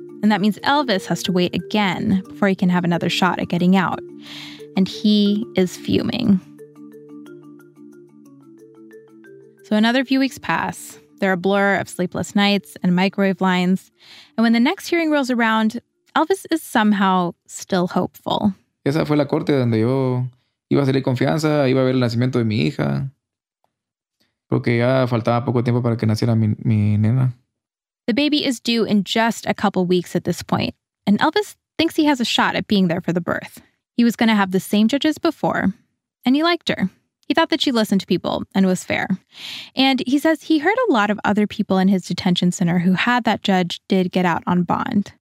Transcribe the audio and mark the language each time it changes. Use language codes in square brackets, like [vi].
[en] And that means Elvis has to wait again before he can have another shot at getting out. And he is fuming. So another few weeks pass. There are a blur of sleepless nights and microwave lines. And when the next hearing rolls around, Elvis is somehow still hopeful. [es] "Esa fue la corte donde yo iba a salir confianza, iba a ver el nacimiento de mi hija. Porque ya faltaba poco tiempo para que naciera mi nena." [en] The baby is due in just a couple weeks at this point, and Elvis thinks he has a shot at being there for the birth. He was going to have the same judges before, and he liked her. He thought that she listened to people and was fair. And he says he heard a lot of other people in his detention center who had that judge did get out on bond.